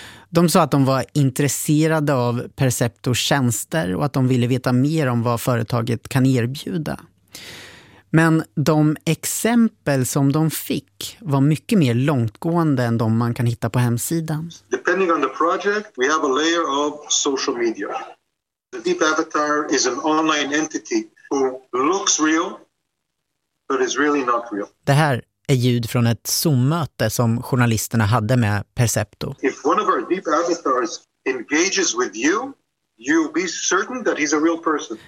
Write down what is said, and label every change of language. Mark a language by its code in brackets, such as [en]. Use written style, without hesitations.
[sv] De sa att de var intresserade av Perceptos tjänster och att de ville veta mer om vad företaget kan erbjuda. Men de exempel som de fick var mycket mer långtgående än de man kan hitta på hemsidan. [en] Depending on the project, we have a layer of social media. The deep avatar is an online entity who looks real, but is really not real. [sv] Det här är ljud från ett Zoom-möte som journalisterna hade med Percepto. [en] If one of our deep avatars engages with you, you'll be certain that he's a real person.